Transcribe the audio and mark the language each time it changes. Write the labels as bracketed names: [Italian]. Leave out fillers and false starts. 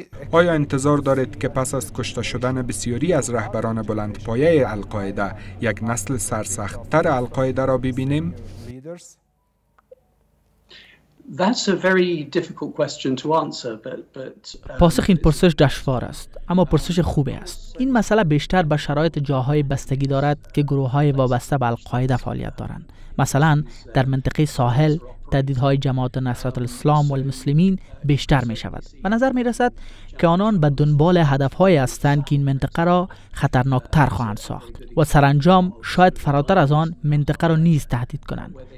[Persian] آیا انتظار دارید که پس از کشته شدن بسیاری از رهبران بلند پایه القاعده یک نسل سرسخت‌تر القاعده را ببینیم؟ [English] That's a very difficult question to answer, but [Persian] پاسخ این پرسش دشوار است، اما پرسش خوبی است. این مسئله بیشتر به شرایط جاهای بستگی دارد که گروه های وابسته به القاعده فعالیت دارند. مثلا در منطقه ساحل تهدیدهای جماعت نصرت الاسلام و المسلمین بیشتر می شود. به نظر می رسد که آنان به دنبال هدفهایی هستند که این منطقه را خطرناکتر خواهند ساخت و سرانجام شاید فراتر از آن منطقه را نیز تهدید کنند.